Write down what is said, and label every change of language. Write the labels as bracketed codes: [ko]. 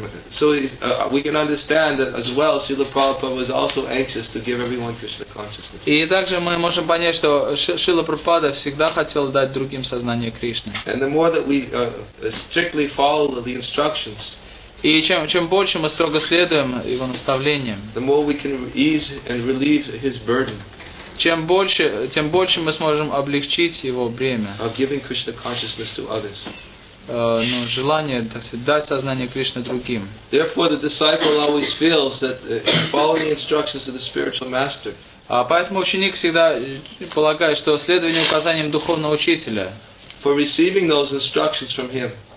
[en] So we can understand that as well, Srila Prabhupada was also anxious to give everyone Krishna consciousness. [ru] И также мы можем понять, что Шрила Прабхупада всегда хотел дать другим сознание Кришны. [en] And the more that we strictly follow the instructions, [ru] и чем больше мы строго следуем его наставлениям, [en] the more we can ease and relieve his burden. [ru] Тем больше мы сможем облегчить его бремя. [en] Of giving Krishna consciousness to others. [ru] Ну, желание, так сказать, дать сознание Кришны другим. [en] Therefore, the disciple always feels that following the instructions of the spiritual master. [ru] Поэтому ученик всегда полагает, что следование указаниям духовного учителя. [en] For receiving those instructions from him.